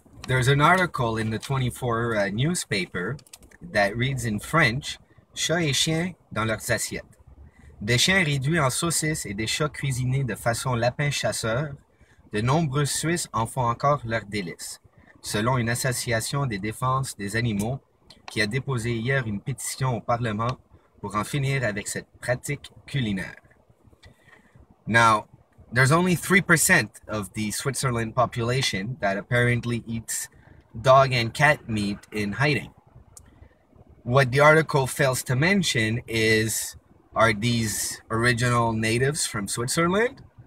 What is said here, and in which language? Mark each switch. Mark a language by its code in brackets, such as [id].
[en] There's an article in the 24 newspaper that reads in French, [fr] chats et chiens dans leurs assiettes. Des chiens réduits en saucisses et des chats cuisinés de façon lapin-chasseur, de nombreux Suisses en font encore leur délice, selon une association des défenses des animaux qui a déposé hier une pétition au Parlement pour en finir avec cette pratique culinaire. [en] Now, there's only 3% of the Switzerland population that apparently eats dog and cat meat in hiding. What the article fails to mention is, are these original natives from Switzerland?